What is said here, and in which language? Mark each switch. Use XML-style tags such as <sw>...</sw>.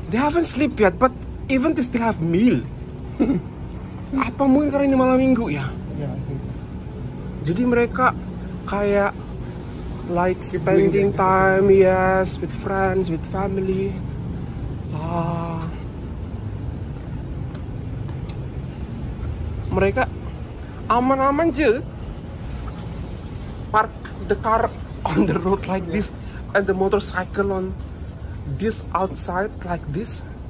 <en>They haven't sleep yet, but even they still have meal.</en> <id>Apa mungkin karena ini malam minggu ya? Iya, yeah, so. Jadi mereka kayak</id> <en>like spending time, yes, with friends, with family.</en> <ms>Mereka aman-aman je</ms> <en>park the car on the road like this and the motorcycle on this outside like this.</en>